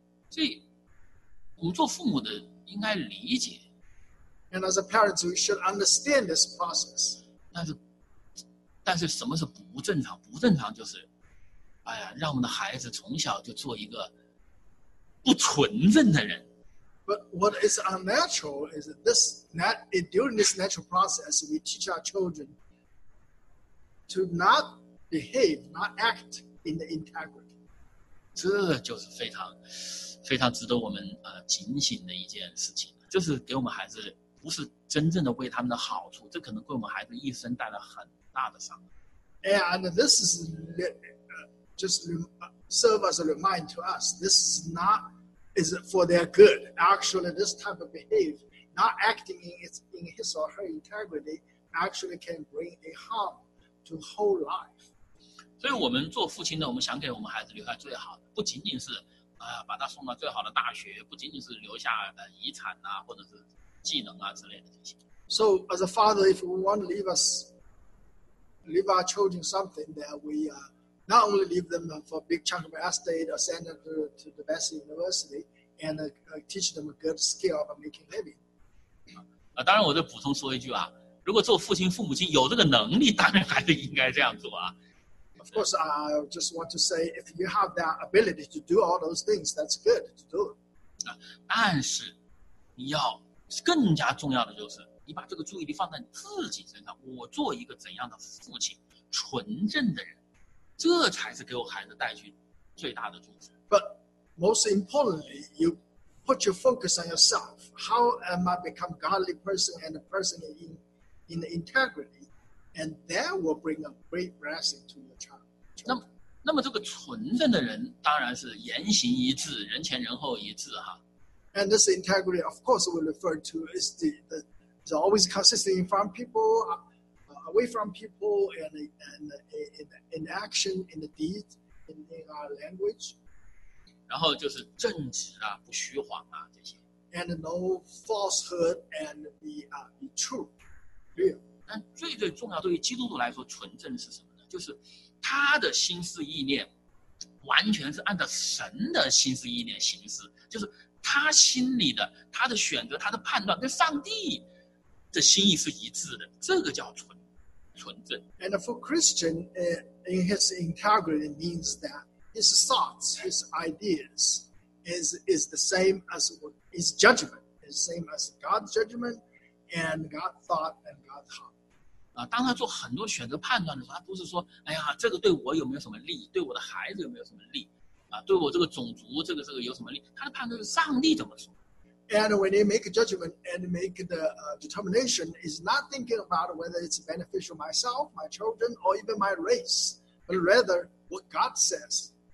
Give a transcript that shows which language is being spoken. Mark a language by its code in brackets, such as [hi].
[zh] 所以我们做父母的应该理解。 [en] And as a parent, we should understand this process. [zh] 但是什么是不正常？不正常就是，哎呀，让我们的孩子从小就做一个不纯正的人。 [en] But what is unnatural is during this natural process, we teach our children to not behave, not act in the integrity. [zh] 这就是非常非常值得我们警醒的一件事情，就是给我们孩子不是真正的为他们的好处，这可能给我们孩子一生带来很大的伤。 [en] And this is serve as a remind to us, is it for their good? Actually, this type of behavior, not acting in his or her integrity, actually can bring a harm to whole life. [zh] 所以我们做父亲的，我们想给我们孩子留下最好的，不仅仅是把他送到最好的大学，不仅仅是留下遗产啊，或者是技能啊之类的这些。 [en] So as a father, if we want to leave our children something that we not only leave them for a big chunk of our estate or send them to the best university and teach them a good skill of making living. [zh] 当然我再补充说一句啊，如果做父亲父母亲有这个能力，当然还是应该这样做啊。 [en] Of course, I just want to say if you have that ability to do all those things, that's good to do. [zh] 但是你要更加重要的就是你把这个注意力放在你自己身上，我做一个怎样的父亲，纯正的人。这才是给我孩子带去最大的祝福。 [en] But most importantly, you put your focus on yourself. How am I become a godly person and a person in the integrity? And that will bring a great blessing to your child. [zh] 那么这个纯正的人当然是言行一致，人前人后一致哈。 [en] And this integrity, of course, we refer to is the always consistent in front of people. Away from people and in action, in the deed, in our language. [zh] 然后就是正直啊，不虚谎啊，这些。 [en] And no falsehood and be true, real. [zh] 但最最重要，对于基督徒来说，纯正是什么呢？就是他的心思意念完全是按照神的心思意念行事，就是他心里的他的选择、他的判断跟上帝的心意是一致的，这个叫纯。 [en] And for Christian, in his integrity means that his thoughts, his ideas is the same as his judgment, is the same as God's judgment and God's thought and God's heart. [zh] 当他做很多选择判断的时候，他不是说，哎呀，这个对我有没有什么利，对我的孩子有没有什么利，对我这个种族这个有什么利，他的判断是上帝怎么说。 [en] And when they make a judgment and make the determination, is not thinking about whether it's beneficial myself, my children, or even my race, but rather what God says.